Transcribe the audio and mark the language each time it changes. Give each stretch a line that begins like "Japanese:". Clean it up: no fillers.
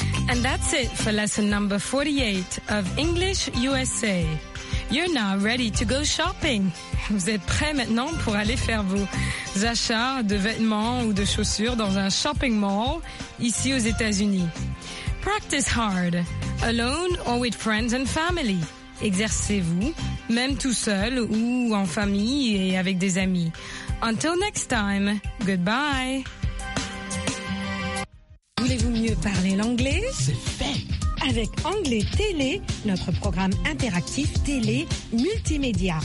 English: And that's it for lesson number 48 of English USA. You're now ready to go shopping.
French: Vous êtes prêts maintenant pour aller faire vos achats de vêtements ou de chaussures dans un shopping mall ici aux États-Unis.
English: Practice hard, alone or with friends and family.
French: Exercez-vous, même tout seul ou en famille et avec des amis.
English: Until next time, goodbye.
French: Voulez-vous mieux parler l'anglais? C'est fait! Avec Anglais Télé, notre programme interactif télé multimédia.